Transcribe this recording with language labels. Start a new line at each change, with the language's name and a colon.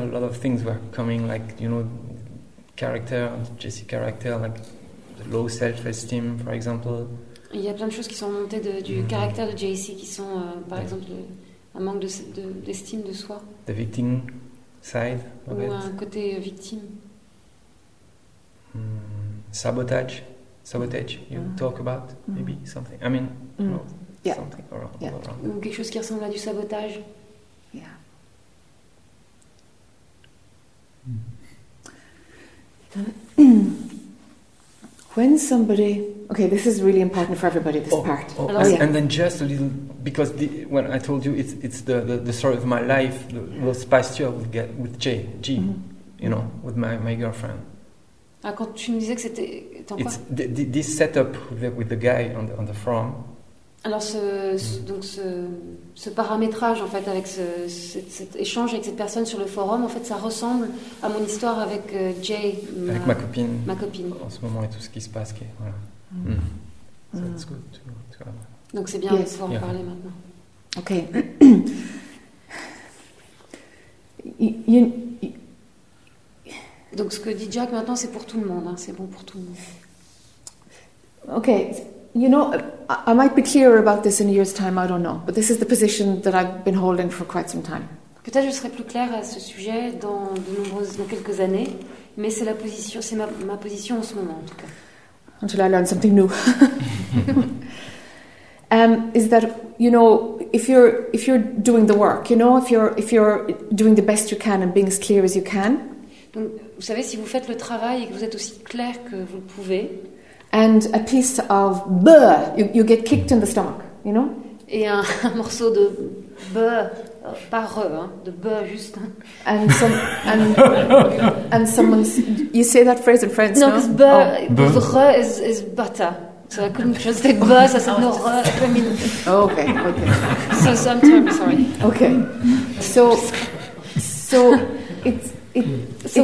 English: A lot of things were coming, like you know, character, Jesse's character, like the low self-esteem, for example.
French: Il y a plein de choses qui sont montées du caractère de JC qui sont, par exemple, un manque d'estime de soi.
English: The victim side of
French: it. Ou un côté victime.
English: Sabotage, you talk about, maybe, something. I mean, something around. Yeah.
French: Ou quelque chose qui ressemble à du sabotage.
English: Yeah. Mm. When somebody... Okay, this is really important for everybody, this part. And then just a little... Because when I told you it's the story of my life, those past year with Jay, G, you know, with my girlfriend.
French: Ah, quand tu me disais que c'était... Attends,
English: it's this setup with the guy on the front.
French: Alors, ce paramétrage, en fait, avec cet échange avec cette personne sur le forum, en fait, ça ressemble à mon histoire avec Jay. Avec ma copine. Ma copine. En ce moment, et tout ce qui se passe.
English: Okay, voilà. That's good to have.
French: Donc, c'est bien de pouvoir en parler maintenant. OK. Donc, ce que dit Jack maintenant, c'est pour tout le monde. Hein. C'est bon pour tout le monde. OK.
English: You know, I might be clearer about this in a year's time, I don't know. But this is the position that I've been holding for quite some time.
French: Peut-être je serai plus claire à ce sujet dans quelques années, mais c'est la position, c'est ma position en ce moment, en tout cas.
English: Until I learn something new. is that, you know, if you're doing the work, you know, if you're doing the best you can and being as clear as you can.
French: Donc, vous savez, si vous faites le travail et que vous êtes aussi clair que vous le pouvez...
English: And a piece of bleh, you get kicked in the stomach, you know?
French: Et un morceau de bleh, pas re, hein, de bleh juste.
English: And someone, you say that phrase in French, no? No, because bleh, re is butter. So I couldn't translate bleh,
French: ça s'appelle re,
English: I mean... Okay. So sometimes, sorry. Okay. So